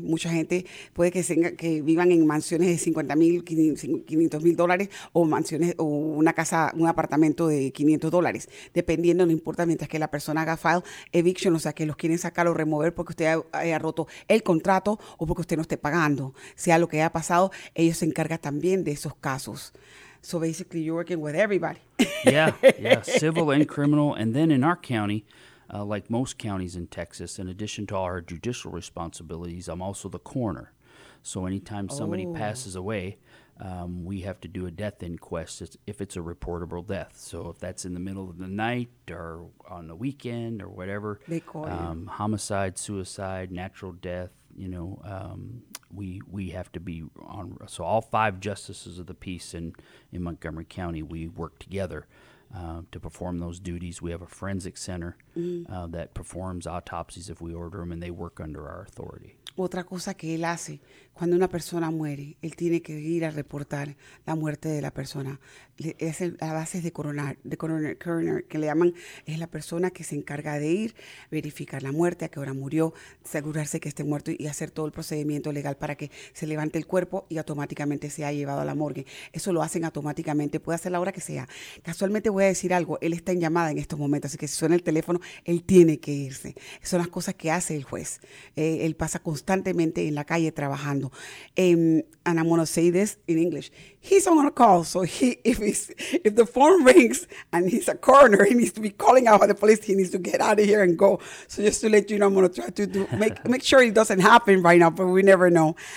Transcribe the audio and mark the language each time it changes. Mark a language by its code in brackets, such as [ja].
[es] Mucha gente puede que vivan en mansiones de $50,000, $500,000 o mansiones o una casa, un apartamento de $500, dependiendo, no importa, mientras que la persona haga [en] file eviction, [es] o sea, que los quieren sacar o remover porque usted haya roto el contrato o porque usted no esté pagando, sea lo que haya pasado, ellos se encargan también de esos casos. [en] So basically, you're working with everybody. Yeah, yeah, civil and criminal. And then in our county, like most counties in Texas, in addition to all our judicial responsibilities, I'm also the coroner. So anytime somebody passes away, we have to do a death inquest if it's a reportable death. So if that's in the middle of the night or on the weekend or whatever, they call you. Homicide, suicide, natural death, you know, we have to be on. So all five justices of the peace in Montgomery County, we work together to perform those duties. We have a forensic center, mm-hmm, that performs autopsies if we order them, and they work under our authority. [es] Otra cosa que él hace, cuando una persona muere, él tiene que ir a reportar la muerte de la persona. Es la base de coroner, que le llaman, es la persona que se encarga de ir, verificar la muerte, a qué hora murió, asegurarse que esté muerto y hacer todo el procedimiento legal para que se levante el cuerpo y automáticamente sea llevado a la morgue. Eso lo hacen automáticamente, puede hacer la hora que sea. Casualmente voy a decir algo, él está en llamada en estos momentos, así que si suena el teléfono, él tiene que irse. Son las cosas que hace el juez. Él pasa constantemente en la calle trabajando. mundo. [en] And I'm going to say this in English. He's on a call. So if the phone rings and he's a coroner, he needs to be calling out by the police. He needs to get out of here and go. So just to let you know, I'm going to try to make sure it doesn't happen right now, but we never know.